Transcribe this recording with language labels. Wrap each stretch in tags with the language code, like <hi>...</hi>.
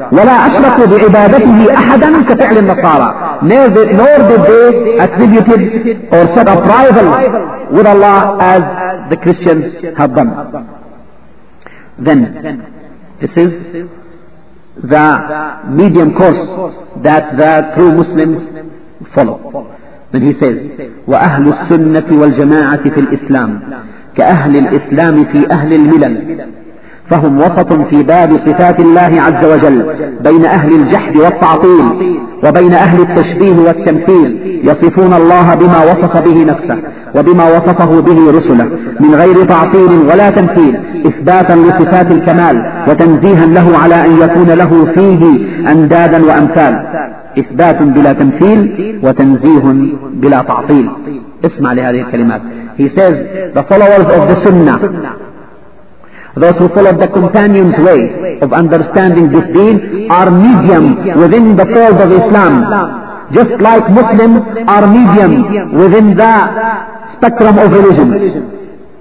<ar>وَلَا أَشْرَكُوا بِعِبَادَتِهِ أَحَدًا كَفِعْلِ النَّصَارَى</ar> <en>nor did they attribute or set up rival with Allah as the Christians have done. Then, this is the medium course that the true Muslims follow. Then he says,</en> <ar>وَأَهْلُ السُّنَّةِ وَالْجَمَاعَةِ فِي الْإِسْلَامِ كَأَهْلِ الْإِسْلَامِ فِي أَهْلِ الْمِلَلِ فهم وسط في باب صفات الله عز وجل بين أهل الجحد والتعطيل وبين أهل التشبيه والتمثيل يصفون الله بما وصف به نفسه وبما وصفه به رسله من غير تعطيل ولا تمثيل إثباتا لصفات الكمال وتنزيها له على أن يكون له فيه أندادا وأمثال إثبات بلا تمثيل وتنزيه بلا تعطيل. اسمع لهذه الكلمات.</ar> <en>He says, the followers of the Sunnah, those who follow the companions' way of understanding this deen, are medium within the fold of Islam. Just like Muslims are medium within the spectrum of religions.</en>